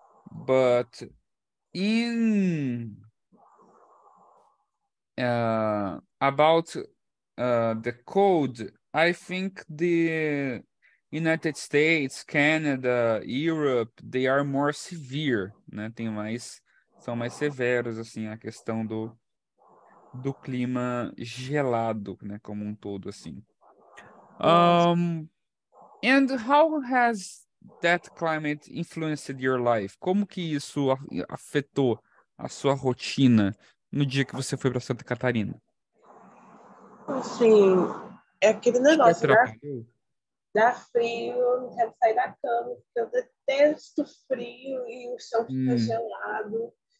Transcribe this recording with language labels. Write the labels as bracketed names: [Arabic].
[English] But in about the cold, I think the United States, Canada, Europe, they are more severe, né? [Portuguese] São mais severos, assim, a questão do clima gelado, né? Como um todo, assim. [English] And how has that climate influenced your life? [Portuguese] Como que isso afetou a sua rotina no dia que você foi para Santa Catarina? Assim, é aquele negócio, né? Dá frio, eu não quero sair da cama, porque eu detesto frio e o chão fica gelado.